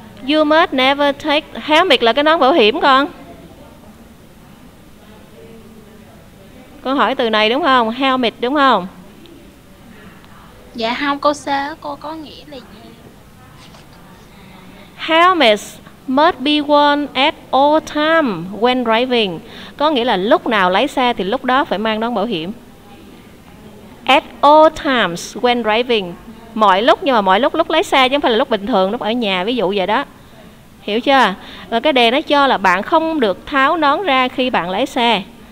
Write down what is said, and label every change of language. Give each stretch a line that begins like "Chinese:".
English: You must never take...
Vietnamese: Helmet là cái nón bảo hiểm con. Con hỏi từ này đúng không? Helmet đúng không? Dạ không, câu sơ cô có nghĩa là gì?
English: Helmet must be worn at all time when driving.
Vietnamese: Có nghĩa là lúc nào lái xe thì lúc đó phải mang nón bảo hiểm. At all times when driving. Mọi lúc, nhưng mà mọi lúc lúc lái xe chứ không phải là lúc bình thường, lúc ở nhà ví dụ vậy đó. Hiểu chưa? Và cái đề nó cho là bạn không được tháo nón ra khi bạn lái xe.